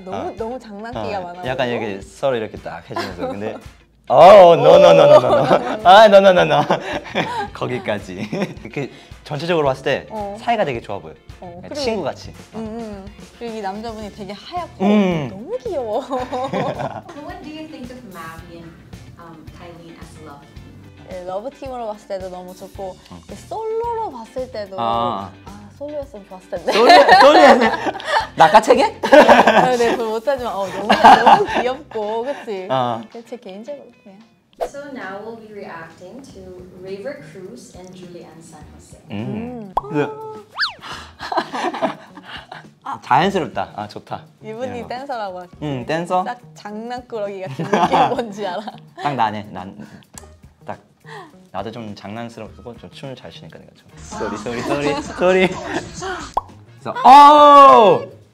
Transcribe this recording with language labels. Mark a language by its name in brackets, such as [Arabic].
[Korean] 너무 아. 너무 장난기가 많아. 약간 이렇게 서로 이렇게 딱 해주면서 근데 어우 노노노노노노 아 노노노노 거기까지. 이렇게 전체적으로 봤을 때 사이가 되게 좋아 보여. 어, 친구같이. 그리고 이 남자분이 되게 하얗고 너무 귀여워. [English] What do you think of Mavi and Taylene as love? [Korean] 러브팀으로 봤을 때도 너무 좋고 솔로로 봤을 때도 아, 솔로였으면 좋았을 텐데. 솔로였으면? 낙하책에? 네, 그걸 못하지만 너무 귀엽고 그치? 그치, 개인적으로 그냥. [English] So now we'll be reacting to River Cruz and Julianne San Jose. [Korean] 자연스럽다. 아 좋다. 이분이 예, 댄서라고 할게. 댄서? 딱 장난꾸러기 같은 느낌 뭔지 알아? 딱 나네. 난 딱 나도 좀 장난스럽고 좀 춤을 잘 추니까 내가 좀. 쏘리. 그래서 오!